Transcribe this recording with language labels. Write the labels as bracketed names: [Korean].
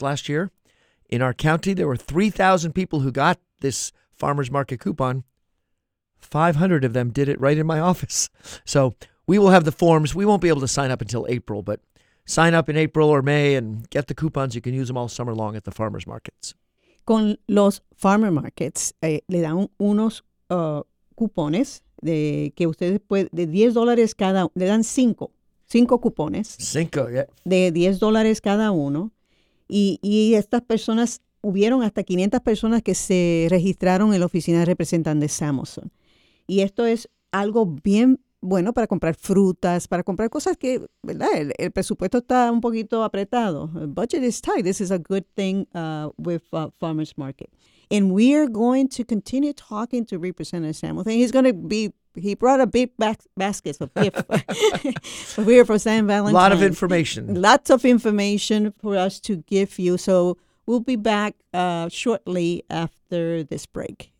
[English] Last year, in our county, there were 3,000 people who got this farmers market coupon. 500 of them did it right in my office. So we will have the forms. We won't be able to sign up until April, but sign up in April or May and get the coupons. You can use them all summer long at the farmers markets. [Spanish] Con los farmer markets, le dan unos cupones de que ustedes pueden, de $10 cada, le dan cinco cupones. Cinco, yeah. De $10 cada uno. Y estas personas, hubieron hasta 500 personas que se registraron en la oficina de representantes Samuelson. Y esto es algo bien bueno para comprar frutas, para comprar cosas que, ¿verdad? El presupuesto está un poquito apretado. [English] The budget is tight. This is a good thing with Farmer's Market. And we are going to continue talking to Representative Samuelson. He's going to be, he brought a big basket of gifts. We are for San Valentine. A lot of information. Lots of information for us to give you. So we'll be back shortly after this break.